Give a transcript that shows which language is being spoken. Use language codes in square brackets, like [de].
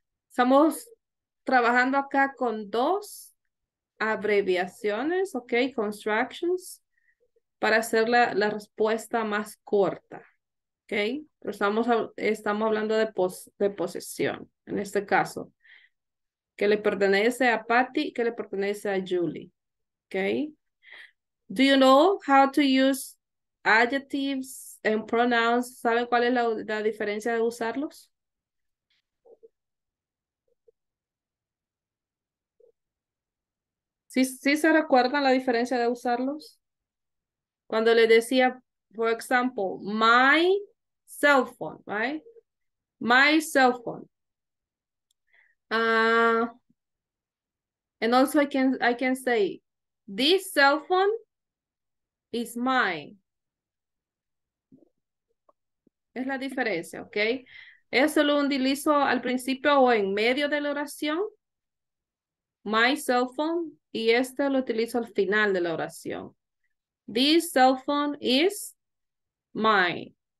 [es] Estamos trabajando acá con dos abreviaciones, okay, constructions, para hacer la respuesta más corta, okay, pero estamos hablando de posesión, en este caso, que le pertenece a Patty, que le pertenece a Julie, okay. [en] Do you know how to use adjectives and pronouns? [es] ¿Saben cuál es la diferencia de usarlos? ¿Sí se recuerdan la diferencia de usarlos? Cuando le decía, [en] for example, my cell phone, right? My cell phone. And also I can say this cell phone is mine. [es] Es la diferencia, okay? Es solo un utilizo al principio o en medio de la oración. [en] My cell phone, [es] y este lo utilizo al final de la oración. [en] This cell phone is mine.